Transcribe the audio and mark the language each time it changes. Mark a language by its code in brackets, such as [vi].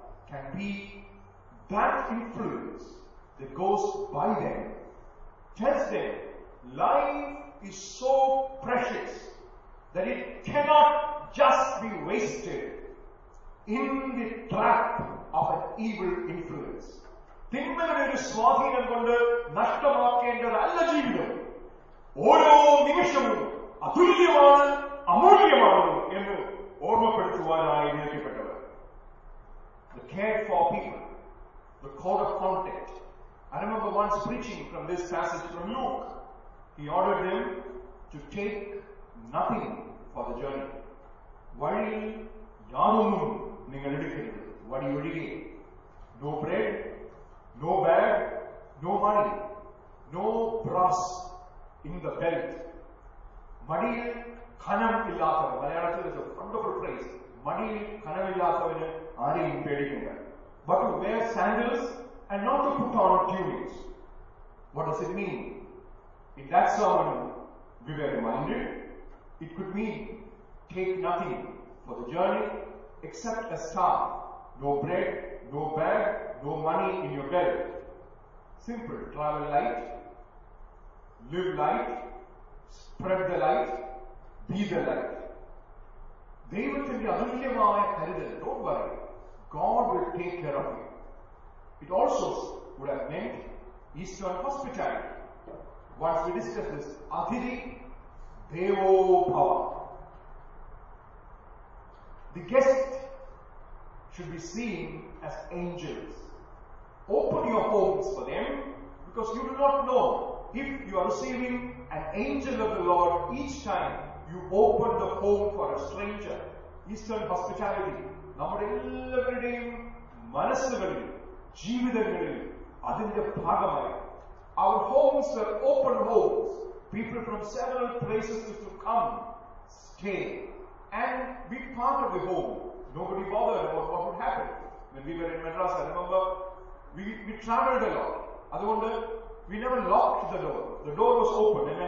[en] Can be that influence that goes by them, tells them life is so precious that it cannot just be wasted in the trap of an evil influence. [ml] തിന്മയുടെ ഒരു സ്വാധീനം കൊണ്ട് നഷ്ടമാക്കേണ്ടതല്ല ജീവിതം. ഓരോ നിമിഷവും അതുല്യമാണ്, അമൂല്യമാണ് എന്ന് ഓർമ്മപ്പെടുത്തുവാനായി നിയോഗിക്കപ്പെട്ടവർ. [en] The care for people, the code of conduct. I remember once preaching from this passage from Luke. He ordered them to take nothing for the journey. [ml] വഴിയിൽ യാതൊന്നും നിങ്ങൾ എടുക്കരുത്, വടി ഒഴികെ. [en] No bread, no bag, no money, no brass in the belt. [ml] മടിയിൽ ഖനം ഇല്ലാത്തവർ, മലയാളത്തിൽ വെച്ച് [en] wonderful phrase, [ml] മടിയിൽ ഖനമില്ലാത്തവന് ആരെയും പേടിക്കുന്നു. [en] But to wear sandals and not to put on tunics. What does it mean? In that sermon we were reminded it could mean take nothing for the journey except a staff. No bread, no bag, no money in your belt. Simple. Travel light, live light, spread the light, be the light. [ml] Devathinte adulyamaya karudal, [en] don't worry, God will take care of you. It also would have meant Eastern hospitality. Once we discuss this, [sa] Athiri Devo Bhava. [en] The guests should be seen as angels. Open your homes for them, because you do not know if you are receiving an angel of the Lord each time you open the home for a stranger. Eastern hospitality. [ml] നമ്മുടെ എല്ലാവരുടെയും മനസ്സുകളിൽ, ജീവിതങ്ങളിൽ അതിന്റെ ഭാഗമായി. [en] Our homes were open homes. People from several places used to come, stay. And we parted the home. Nobody bothered about what would happen. When we were in Madras, I remember We traveled a lot. Adhukondu, we never locked the door. The door was open.